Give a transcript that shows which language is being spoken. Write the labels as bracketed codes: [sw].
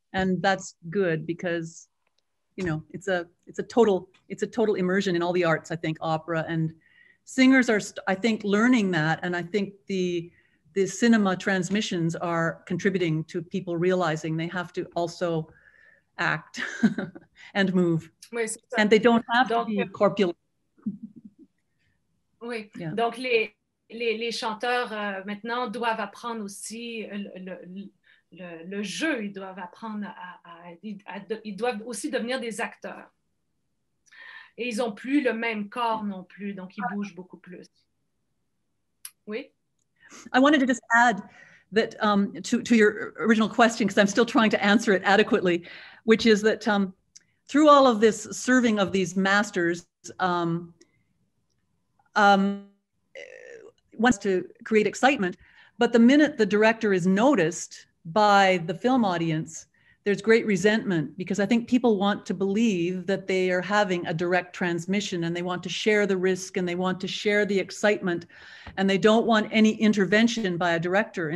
[en] And that's good because, you know, it's a total immersion in all the arts, I think, opera. And singers are, I think, learning that. And I think the cinema transmissions are contributing to people realizing they have to also act and move. [fr] Oui, c'est ça. [en] And they don't have to be corpulent. [fr] Oui, yeah. Donc les chanteurs maintenant doivent apprendre aussi le jeu, ils doivent apprendre ils doivent aussi devenir des acteurs. Et ils n'ont plus le même corps non plus, donc ils bougent beaucoup plus. Oui? [en] I wanted to just add that to your original question, because I'm still trying to answer it adequately, which is that through all of this serving of these masters, wants to create excitement, but the minute the director is noticed by the film audience, there's great resentment because I think people want to believe that they are having a direct transmission and they want to share the risk and they want to share the excitement and they don't want any intervention by a director.